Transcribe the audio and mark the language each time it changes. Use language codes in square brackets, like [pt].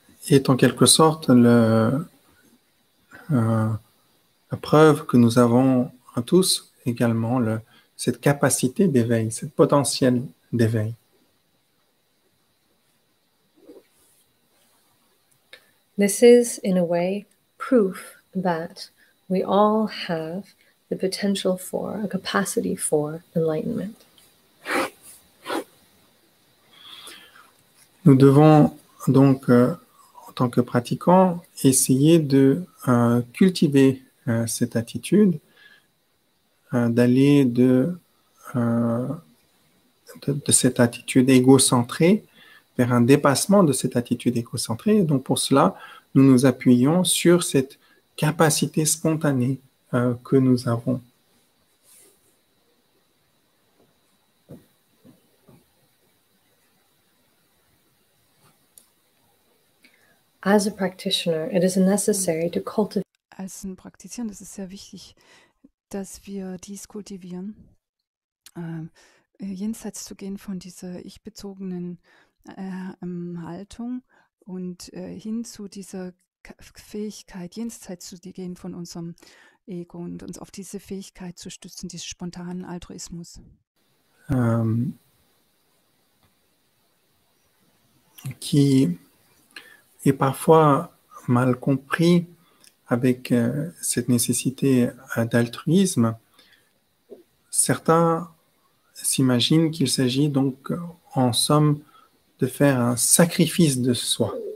[fr] Est en quelque sorte la preuve que nous avons tous également cette capacité d'éveil, ce potentiel d'éveil. [en] This is, in a way, proof that we all have the potential for, a capacity for, enlightenment. [fr] Nous devons donc en tant que pratiquant, essayer de cultiver cette attitude, d'aller de cette attitude égocentrée vers un dépassement de cette attitude égocentrée. Donc pour cela, nous nous appuyons sur cette capacité spontanée que nous avons. [en] As a practitioner, it is necessary to cultivate. [de] Als ein Praktizierender ist es sehr wichtig, dass wir dies kultivieren, jenseits zu gehen von dieser ich-bezogenen Haltung und hin zu dieser Fähigkeit, jenseits zu gehen von unserem Ego und uns auf diese Fähigkeit zu stützen, diesen spontanen Altruismus. [fr] Qui est parfois mal compris avec cette nécessité d'altruisme. Certains s'imaginent qu'il s'agit donc en somme de faire un sacrifice de soi.